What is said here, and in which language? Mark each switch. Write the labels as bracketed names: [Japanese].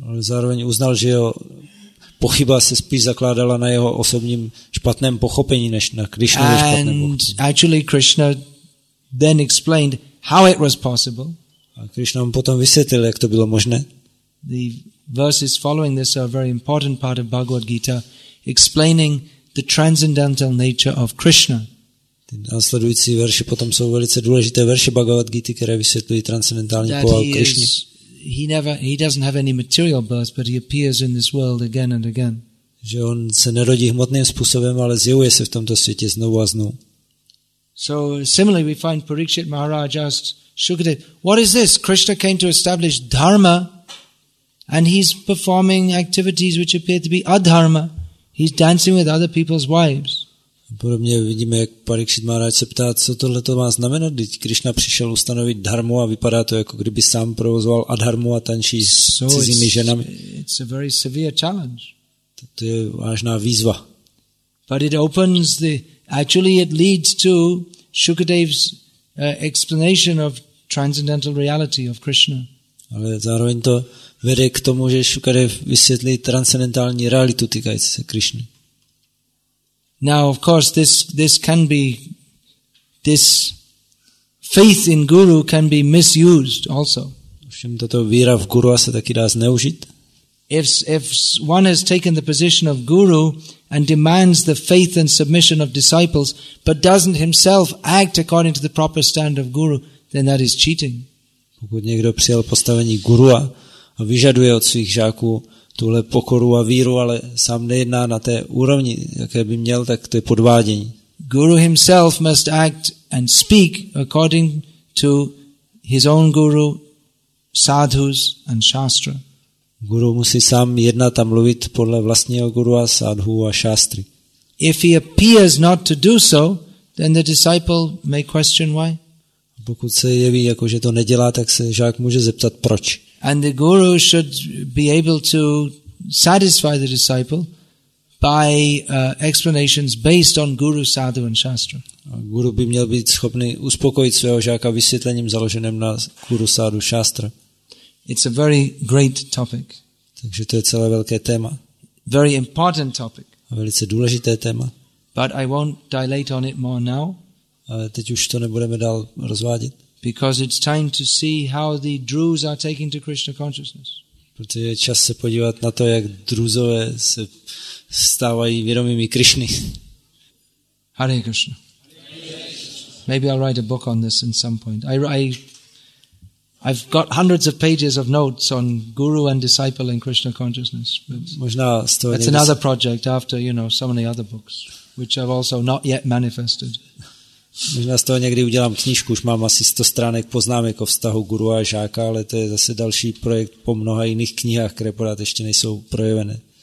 [Czech] Ale zároveň uznal, že jeho pochyba se spíš zakládala na jeho osobním špatném pochopení než na Krishnově špatném [English] and [Czech] pochopení. [English] Actually Krishna then explained how it was possible. [Czech] A Krishna mu potom vysvětlil, jak to bylo možné. [English] The verses following this are a very important part of Bhagavad Gita, explaining the transcendental nature of Krishna. [Czech] Ty následující verše potom jsou velice důležité verše Bhagavad Gita, které vysvětlují transcendentální povahu Krishny. [English] He doesn't have any material birth, but he appears in this world again and again. [Czech] Že on se nerodí hmotným způsobem, ale zjevuje se v tomto světě znovu a znovu. [English] So similarly we find Parikshit Maharaj asks Shukadev, what is this? Krishna came to establish dharma and he's performing activities which appear to be adharma. He's dancing with other people's wives. [Czech] Podobně vidíme, jak Parikshit Maharaj se ptá, co tohle to má znamenat, když Krishna přišel ustanovit dharmu a vypadá to, jako kdyby sám provozoval adharmu a tančí s cizími ženami. [English] It's a very severe challenge. [Czech] To je vážná výzva. [English] But it opens the actually it leads to Shukadev's explanation of transcendental reality of Krishna. [Czech] Ale zároveň to vede k tomu, že Shukadev vysvětlí transcendentální realitu týkající se Krishny. [English] Now of course this can be this faith in guru can be misused also. [Czech] Ovšem tato víra v gurua se taky dá zneužít. [English] If one has taken the position of guru and demands the faith and submission of disciples but doesn't himself act according to the proper standard of guru, then that is cheating. [Czech] Pokud někdo přijal postavení gurua a vyžaduje od svých žáků tuhle pokoru a víru, ale sám nejedná na té úrovni, jaké by měl, tak to je podvádění. [English] Guru himself must act and speak according to his own guru, sadhus and shastra. [Czech] Guru musí sám jednat a mluvit podle vlastního guru a sadhu a šástry. [English] If he appears not to do so, then the disciple may question why. [Czech] Pokud se jeví, jako že to nedělá, tak se žák může zeptat proč. [English] And the guru should be able to satisfy the disciple by explanations based on guru, sadhu and shastra. [Czech] A guru by měl být schopný uspokojit svého žáka vysvětlením založeném na guru, sadhu, šástra. [English] It's a very great topic. [Czech] Takže to je celé velké téma. [English] Very important topic. [Czech] A velice důležité téma. [English] But I won't dilate on it more now. [Czech] Ale teď už to nebudeme dál rozvádět. [English] Because it's time to see how the Druze are taking to Krishna consciousness. [Czech] Protože je čas se podívat na to, jak Druzové se stávají vědomými Krišny. [Sanskrit] Hare Krishna. [English] Maybe I'll write a book on this at some point. I've got hundreds of pages of notes on guru and disciple in Krishna consciousness. That's another project after, you know, so many other books, which I've also not yet manifested. [Czech] Možná z toho někdy udělám knížku, už mám asi 100 stránek poznámek o vztahu guru a žáka, ale to je zase další projekt po mnoha jiných knihách, které pořád ještě nejsou projevené.